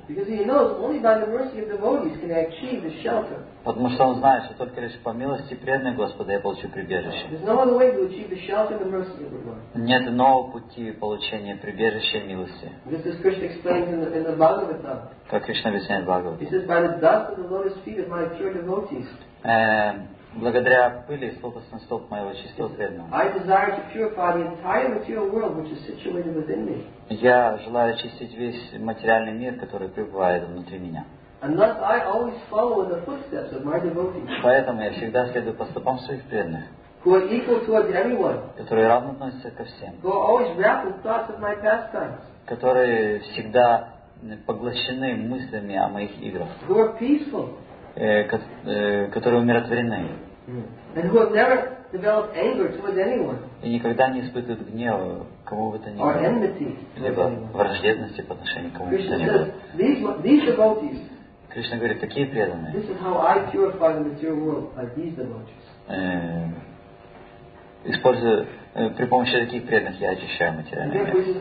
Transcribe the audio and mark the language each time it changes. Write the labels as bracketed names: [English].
[English] Because he knows only by the mercy of devotees can I achieve the shelter. [Russian] Потому что он знает, что только лишь по милости преданных Господа я получу прибежище. [English] There's no other way to achieve the shelter and the mercy of the Lord. [Russian] Нет иного пути получения прибежища и милости. [English] This is Krishna explains in the Bhagavatam. [Russian] Как Кришна объясняет Бхагавату. [English] He says, by the dust of the lotus feet of my pure devotees. [Russian] Благодаря пыли с лотосных стоп моего чистого преданного. [English] I desire to purify the entire material world which is situated within me. [Russian] Я желаю очистить весь материальный мир, который пребывает внутри меня. [English] Unless I always follow the footsteps of my devotees. [Russian] Поэтому я всегда следую по стопам своих преданных. [English] Who are equal towards everyone. [Russian] Которые равно относятся ко всем. [English] Who are always wrapped with thoughts of my pastimes. [Russian] Которые всегда поглощены мыслями о моих играх. [English] Who are peaceful. [Russian] Которые умиротворены. [English] And who have never develop anger towards anyone. [Russian] И никогда не испытывает гнева кому бы то ни было. [English] Or enmity. [Russian] Либо враждебности по отношению к кому бы то ни было. [English] These devotees. [Russian] Кришна говорит, такие преданные. [English] This is how I purify the material world by these devotees. [Russian] Используя при помощи таких преданных я очищаю материальное.